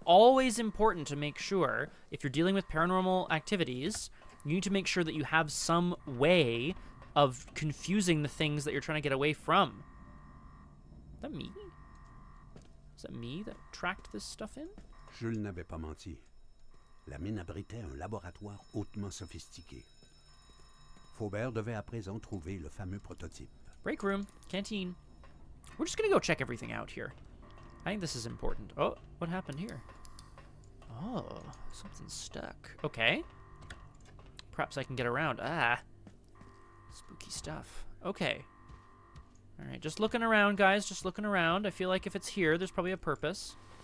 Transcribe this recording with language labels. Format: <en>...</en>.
<en>Always important to make sure, if you're dealing with paranormal activities, you need to make sure that you have some way of confusing the things that you're trying to get away from. Is that me? Is that me that tracked this stuff in?</en> <fr>Jules n'avait pas menti. La mine abritait un laboratoire hautement sophistiqué. Faubert devait à présent trouver le fameux prototype.</fr> <en>Break room. Canteen. We're just going to go check everything out here. I think this is important. Oh, what happened here? Oh, something's stuck. Okay. Perhaps I can get around. Ah. Spooky stuff. Okay. All right, just looking around, guys. Just looking around. I feel like if it's here, there's probably a purpose.</en>